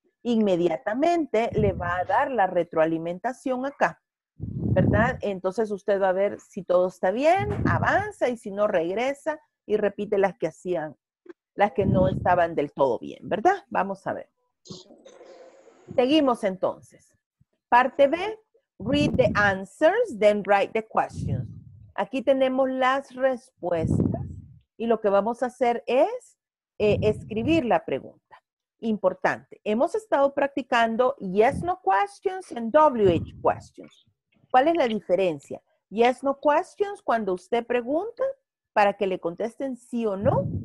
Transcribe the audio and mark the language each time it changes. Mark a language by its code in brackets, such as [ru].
[es] Inmediatamente le va a dar la retroalimentación acá, ¿verdad? Entonces usted va a ver si todo está bien, avanza y si no regresa y repite las que hacían, las que no estaban del todo bien, ¿verdad? Vamos a ver. Seguimos entonces. [en] Parte B, read the answers, then write the questions. [es] Aquí tenemos las respuestas. Y lo que vamos a hacer es escribir la pregunta. Importante. Hemos estado practicando [en] yes, no questions and WH questions. [es] ¿Cuál es la diferencia? [en] Yes, no questions, [es] cuando usted pregunta para que le contesten sí o no.